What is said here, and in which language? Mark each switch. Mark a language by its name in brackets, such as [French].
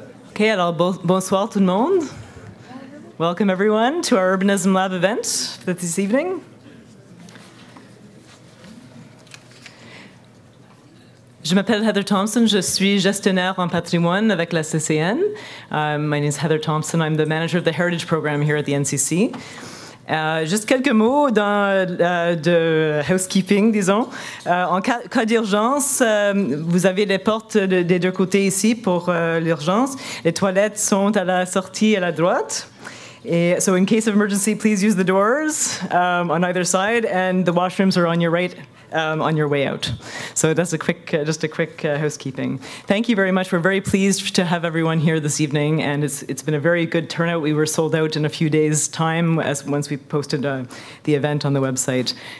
[French] Okay, alors bonsoir tout le monde. [English] Welcome everyone to our Urbanism Lab event for this evening. [French] Je m'appelle Heather Thompson, je suis gestionnaire en patrimoine avec la CCN. [English] My name is Heather Thompson, I'm the manager of the Heritage Program here at the NCC. [French] Juste quelques mots de housekeeping, disons. En cas d'urgence, vous avez les portes des deux côtés ici pour l'urgence. Les toilettes sont à la sortie à la droite. [English] Et, so in case of emergency, please use the doors on either side, and the washrooms are on your right. On your way out. So that's a quick, housekeeping. Thank you very much. We're very pleased to have everyone here this evening, and it's been a very good turnout. We were sold out in a few days' time once we posted the event on the website.